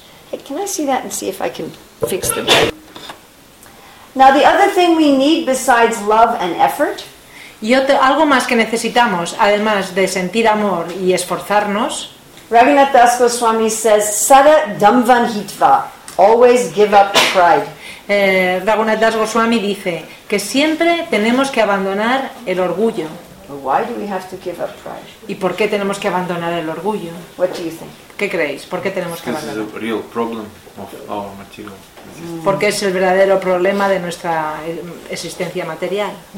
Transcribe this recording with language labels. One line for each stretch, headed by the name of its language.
English: Hey, can I see that and see if I can fix them? Now, the other thing we need besides love and effort.
Spanish: Y otro, algo más que necesitamos, además de sentir amor y esforzarnos.
English: Raghunath Das Goswami says,
Sanskrit: Sada Dhamvanhitva,
English: always give up pride.
Spanish: Raghunath Das Goswami dice que siempre tenemos que abandonar el orgullo.
English: Well, why do we have to give up pride?
Spanish: ¿Y por qué tenemos que abandonar el orgullo?
English: What do you think?
Spanish: ¿Qué creéis? ¿Por qué tenemos que abandonar?
English: This is a real problem of our material existence.
Spanish: Porque es el verdadero problema de nuestra existencia material.